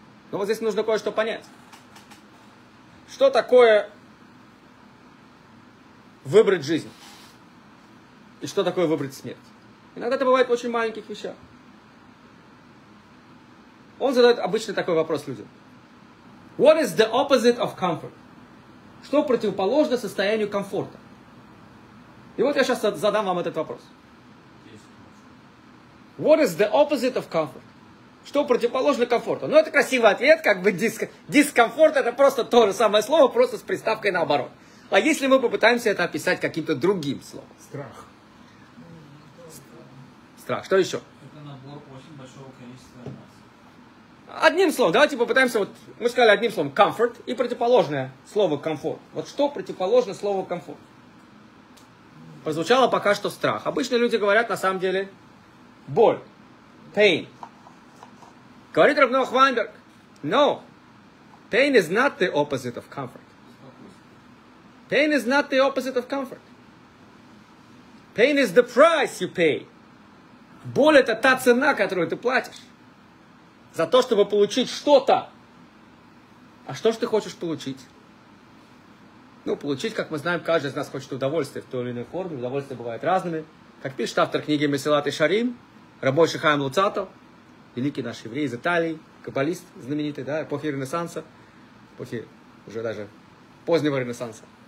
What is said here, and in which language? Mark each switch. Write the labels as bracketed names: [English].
[Russian] Но вот здесь нужно кое-что понять. Что такое выбрать жизнь? И что такое выбрать смерть? Иногда это бывает в очень маленьких вещах. Он задает обычный такой вопрос людям. [English] What is the opposite of comfort? [Russian] Что противоположно состоянию комфорта? И вот я сейчас задам вам этот вопрос. [English] What is the opposite of comfort? [Russian] Что противоположно комфорту? Ну, это красивый ответ, как бы дискомфорт, это просто то же самое слово, просто с приставкой наоборот. А если мы попытаемся это описать каким-то другим словом? Страх. Страх. Что еще? Это набор очень большого количества эмоций. Одним словом, давайте попытаемся, вот мы сказали одним словом, comfort и противоположное слово комфорт. Вот что противоположно слову комфорт? Прозвучало пока что страх. Обычно люди говорят, на самом деле, боль, pain. Говорит [English] Рав Нох Вайнберг, no, pain is not the opposite of comfort. Pain is not the opposite of comfort. Pain is the price you pay. [Russian] Боль — это та цена, которую ты платишь за то, чтобы получить что-то. А что же ты хочешь получить? Ну, получить, как мы знаем, каждый из нас хочет удовольствия в той или иной форме. Удовольствия бывают разными. Как пишет автор книги Месилат Йешарим, Рабой Шихаим Луцато, великий наш еврей из Италии, каббалист знаменитый, да, эпохи Ренессанса, эпохи уже даже позднего Ренессанса.